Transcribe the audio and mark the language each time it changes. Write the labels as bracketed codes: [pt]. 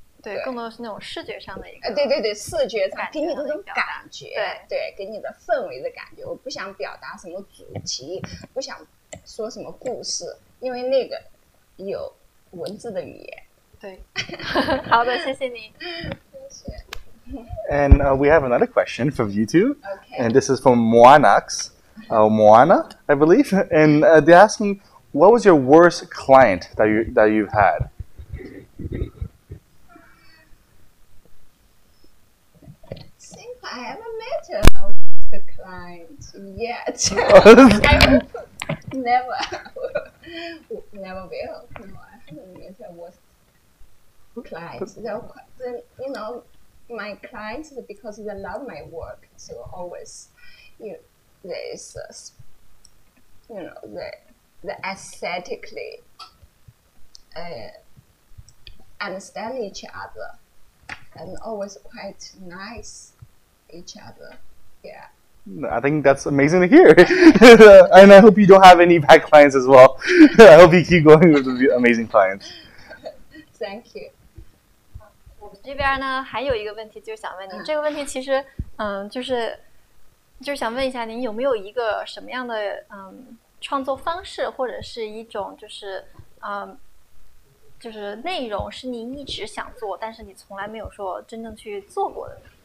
[zh] 对，更多的是那种视觉上的一个，对对对，视觉上给你这种感觉，对对，给你的氛围的感觉。我不想表达什么主题，不想说什么故事，因为那个有文字的语言。对，好的，谢谢你。 [en] And we have another question for you two. Okay. And this is from Moanax, Moana, I believe. And they're asking, what was your worst client that you've had? I haven't met a worst client yet. never will. No, I haven't met a worst client. You know, my clients, because they love my work, so always, you know, there is, you know, the aesthetically understand each other and always quite nice. Each other, yeah. I think that's amazing to hear. And I hope you don't have any bad clients as well. I hope you keep going with the amazing clients. Thank you. [zh] 我们这边呢还有一个问题就想问您，这个问题其实就是想问一下您有没有一个什么样的创作方式或者是一种就是内容是您一直想做但是你从来没有说真正去做过的。